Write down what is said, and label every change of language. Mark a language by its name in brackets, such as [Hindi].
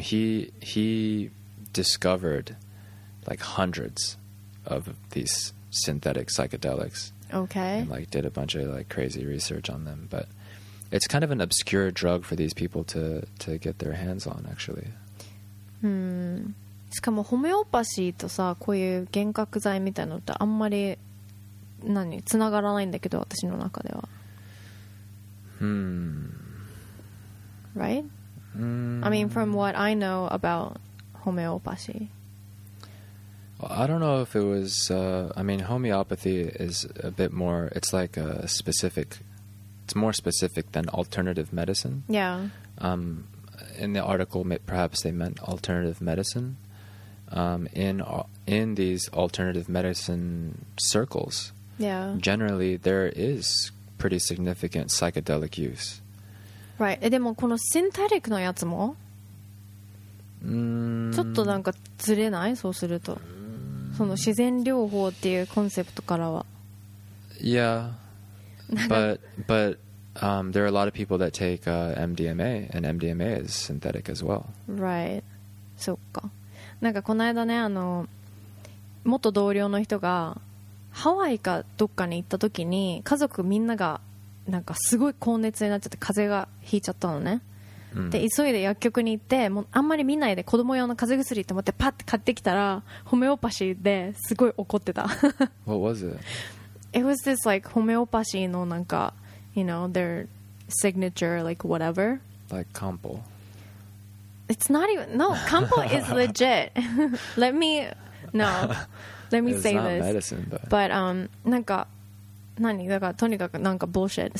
[English] He discovered like hundreds of these synthetic psychedelics. Okay. And like did a bunch of like crazy research on them. But it's kind of an obscure drug for these people to get their hands on, actually. [Japanese] うん、しかもホメオパシーとさこういう幻覚剤みたいなのってあんまり何つながらないんだけど私の中では。 [English] Right? I mean, from what I know about homeopathy. Well, I don't know if it was. I mean, homeopathy is a bit more. It's like a specific. It's more specific than alternative medicine. Yeah. In the article, perhaps they meant alternative medicine. In these alternative medicine circles, yeah. Generally, there is pretty significant psychedelic use. Right. [Japanese] え、でもこのシンテティックのやつも、ちょっとなんかずれない?そうすると。その自然療法っていうコンセプトからは。 [English] Yeah. But... there are a lot of people that take MDMA, and MDMA is synthetic as well. Right. [Japanese] そっか。なんかこの間ね、あの、元同僚の人がハワイかどっかに行った時に、家族みんながなんかすごい高熱になっちゃって風邪がひいちゃったのね。で、急いで薬局に行って、もうあんまり見ないで子供用の風邪薬と思ってパッて買ってきたら、ホメオパシーですごい怒ってた。 [English] What was it? it was this like homeopathy [Japanese] no nanka, [English] you know, their signature, like whatever. Like Kampo. It's not even, no, Kampo is legit. Let me it's say not this. Medicine, but. But [Japanese] nanka, nani, daka, tonikaku nanka [English] bullshit.